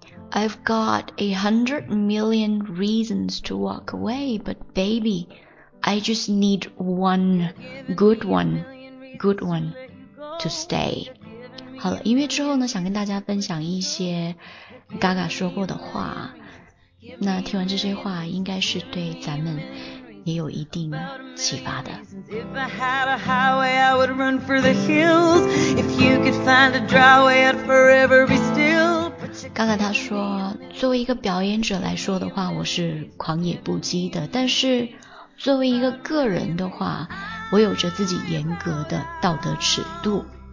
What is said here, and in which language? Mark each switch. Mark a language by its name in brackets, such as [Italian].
[English] I've got 100 million reasons to walk away, but baby, I just need one good one, good one to stay. [Chinese] 好了，音乐之后呢，想跟大家分享一些 Gaga 说过的话。那听完这些话，应该是对咱们也有一定启发的。 [English] If I had a highway, I would run for the hills. If you could find a dry way, I'd forever be still. [Chinese] 刚才他说，作为一个表演者来说的话，我是狂野不羁的，但是作为一个个人的话，我有着自己严格的道德尺度。